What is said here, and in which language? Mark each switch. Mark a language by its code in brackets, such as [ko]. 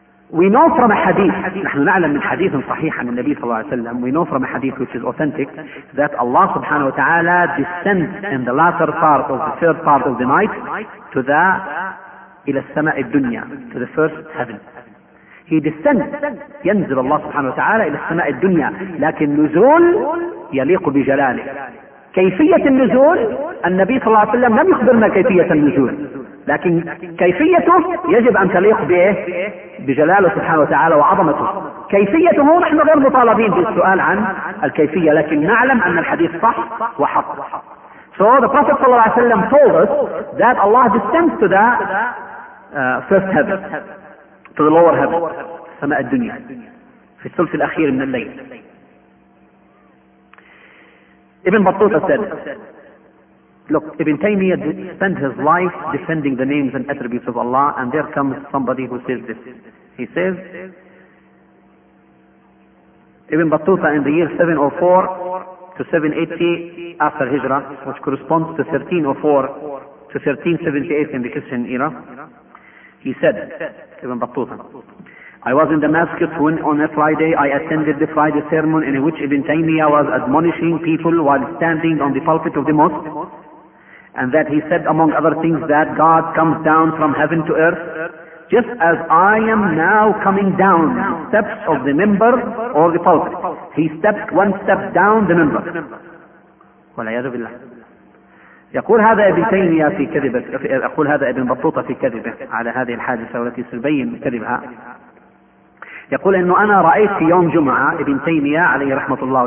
[en] We know from a hadith, [ar] نحن نعلم من حديث صحيح عن النبي صلى الله عليه وسلم, [en] we know from a hadith which is authentic, that Allah subhanahu wa ta'ala descends in the latter part of the third part of the night to the [ar] إلى السماء الدنيا, [en] to the first heaven. He descends, [ar] ينزل الله سبحانه وتعالى إلى السماء الدنيا, لكن نزول يليق بجلاله. كيفية النزول, النبي صلى الله عليه وسلم لم يخبرنا كيفية النزول, لكن كيفيته يجب أن تليق به بجلاله سبحانه وتعالى وعظمته. كيفيته نحن غير مطالبين بالسؤال عن الكيفية, لكن نعلم أن الحديث صح وحق. [en] So the Prophet صلى الله عليه وسلم told us that Allah descends to the first heaven, to the lower heaven, [ar] سماء الدنيا, في الثلث الأخير من الليل. [en] ابن بطوطة said, look, Ibn Taymiyyah spent his life defending the names and attributes of Allah, and there comes somebody who says this. He says, Ibn Battuta in the year 704 to 780 after Hijrah, which corresponds to 1304 to 1378 in the Christian era, he said, Ibn Battuta, I was in Damascus when on a Friday I attended the Friday sermon in which Ibn Taymiyyah was admonishing people while standing on the pulpit of the mosque, and that he said among other things that God comes down from heaven to earth just as I am now coming down the steps of the member or the pulpit. He stepped one step down the member. [ar] والعياذ بالله. يقول هذا ابن تيمية في كذبه, يقول هذا ابن بطوطة في كذبه على هذه الحادثة التي سيبين كذبها. يقول انه انا رأيت في يوم جمعة ابن تيمية عليه رحمة الله.